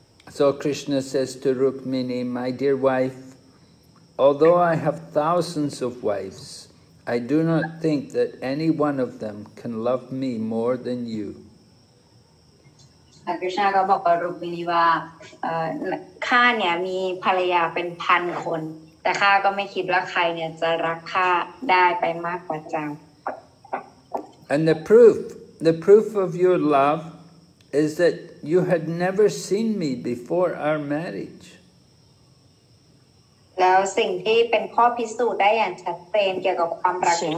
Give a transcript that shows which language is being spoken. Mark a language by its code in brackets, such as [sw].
[en] So Krishna says to Rukmini, My dear wife, although I have thousands of wives, I do not think that any one of them can love me more than you. [th] Krishna ก็บอกกับ Rukmini ว่าข้าเนี่ยมีภรรยาเป็นพันคนแต่ข้าก็ไม่คิดว่าใครเนี่ยจะรักข้าได้ไปมากกว่าเจ้า [en] And the proof of your love is that you had never seen me before our marriage. [th] แล้วสิ่งที่เป็นข้อพิสูจน์ได้อย่างชัดเจนเกี่ยวกับความรัก